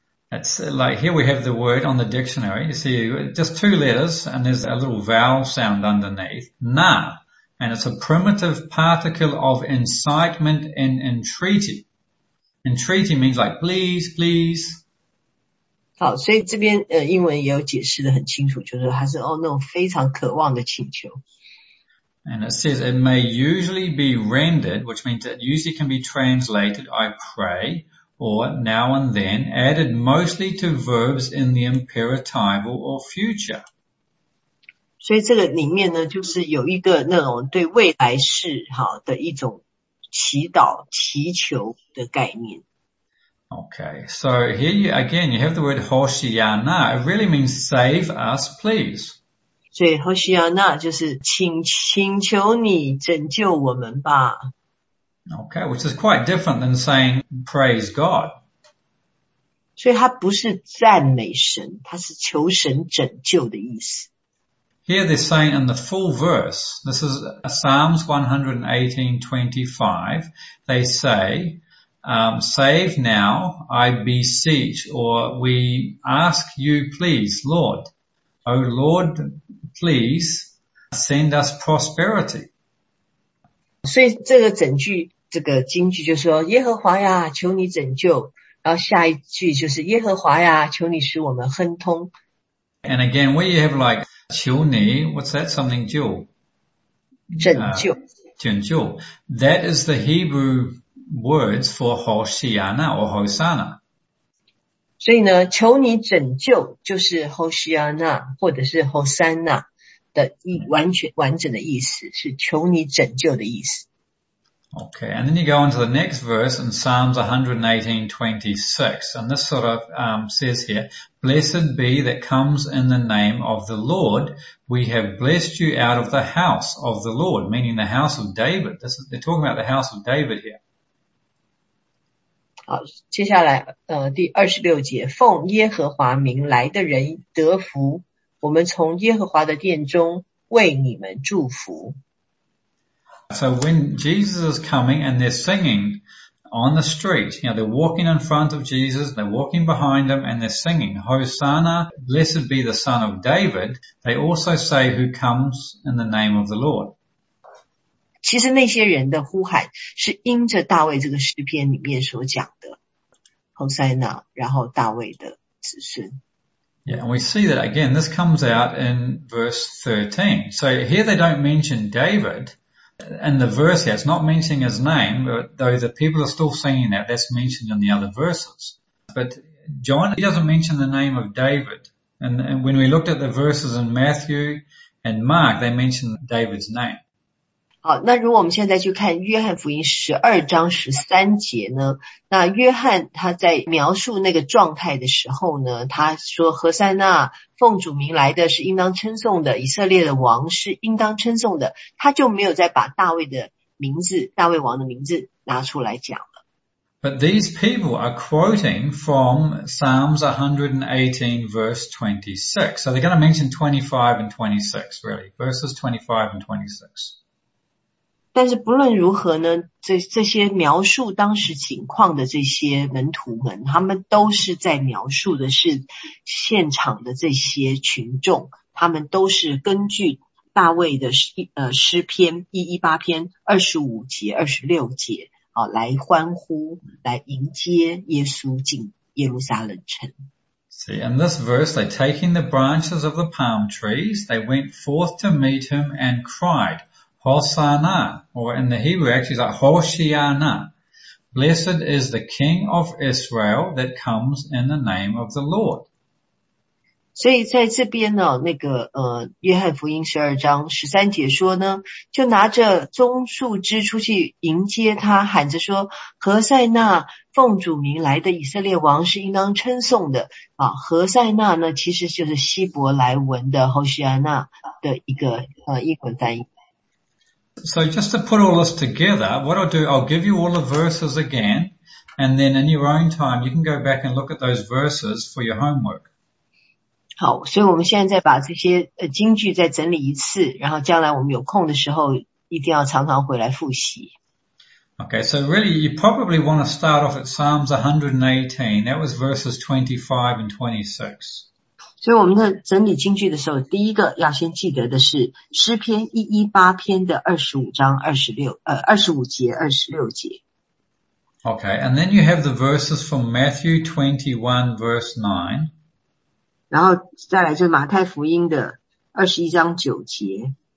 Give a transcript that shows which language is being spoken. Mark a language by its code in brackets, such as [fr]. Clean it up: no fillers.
[en] It's like here we have the word on the dictionary. You see, just two letters, and there's a little vowel sound underneath. Na, and it's a primitive particle of incitement and entreaty. Entreaty means like please, please. [zh] 好，所以这边英文也有解释的很清楚，就是它是那种非常渴望的请求。 [en] And it says it may usually be rendered, which means it usually can be translated. I pray. Or now and then, added mostly to verbs in the imperatival or future. [zh] 所以这个里面呢，就是有一个那种对未来式哈的一种祈祷、祈求的概念。 [en] Okay, so here you again, you have the word Hoshiana. It really means save us, please. [zh] 所以 Hoshiana 就是请求你拯救我们吧。 [en] Okay, which is quite different than saying praise God. [zh] 所以它不是赞美神，它是求神拯救的意思。 [en] Here they're saying in the full verse, this is Psalms 118:25, they say, save now, I beseech, or we ask you please, Lord. O Lord, please send us prosperity. [zh] 所以这个整句这个经句就说耶和华呀求你拯救，然后下一句就是耶和华呀求你使我们亨通。 [en] And again, where you have like, [zh] 求你, [en] what's that something [zh] 救? 拯救。 [en] That is the Hebrew words for Hoshiana or Hosanna. [zh] 所以呢求你拯救就是 Hoshiana 或者是 Hosanna 的完整的意思，是求你拯救的意思。 [en] Okay, and then you go on to the next verse in Psalms 118:26, and this sort of says here, Blessed be that comes in the name of the Lord, we have blessed you out of the house of the Lord, meaning the house of David. This is, they're talking about the house of David here. [zh] 好，接下来第26节，奉耶和华名来的人得福，我们从耶和华的殿中为你们祝福。 [en] So when Jesus is coming and they're singing on the street, you know, they're walking in front of Jesus, they're walking behind him, and they're singing, Hosanna, blessed be the Son of David. They also say, who comes in the name of the Lord. [zh] 其实那些人的呼喊是因着大卫这个诗篇里面所讲的 Hosanna, 然后大卫的子孙。 [en] Yeah, and we see that again, this comes out in verse 13. So here they don't mention David in the verse here. It's not mentioning his name, but though the people are still singing that, that's mentioned in the other verses. But John, he doesn't mention the name of David. And when we looked at the verses in Matthew and Mark, they mention David's name. [zh] 好，那如果我们现在去看约翰福音12章13节呢，那约翰他在描述那个状态的时候呢，他说何塞纳奉主名来的是应当称颂的，以色列的王是应当称颂的，他就没有再把大卫的名字，大卫王的名字拿出来讲了。 [en] But these people are quoting from Psalms 118 verse 26. So they're going to mention 25 and 26 really, verses 25 and 26. [zh] 但是不论如何呢，这些描述当时情况的这些门徒们，他们都是在描述的是现场的这些群众，他们都是根据大卫的诗篇118篇25节26节、来欢呼来迎接耶稣进耶路撒冷城。 [en] See, in this verse, they taking the branches of the palm trees, they went forth to meet him and cried,Hosanna, or in the Hebrew actually it's like Hoshiana. Blessed is the King of Israel that comes in the name of the Lord. [zh] 所以在这边呢，那个约翰福音12章13节说呢，就拿着棕树枝出去迎接他，喊着说，何塞纳奉主名来的以色列王是应当称颂的。何塞纳呢，其实就是希伯来文的 Hoshiana 的一个英文翻译。 [en] So just to put all this together, what I'll do, I'll give you all the verses again, and then in your own time, you can go back and look at those verses for your homework. [zh] 好，所以我们现在把这些经句再整理一次，然后将来我们有空的时候，一定要常常回来复习。 [en] Okay, so really, you probably want to start off at Psalms 118. That was verses 25 and 26. [zh] 所以我们的整理经句的时候，第一个要先记得的是诗篇118篇的25章25节26节。 [en] Okay, and then you have the verses from Matthew 21 verse 9. [zh] 然后再来就马太福音的21章9节。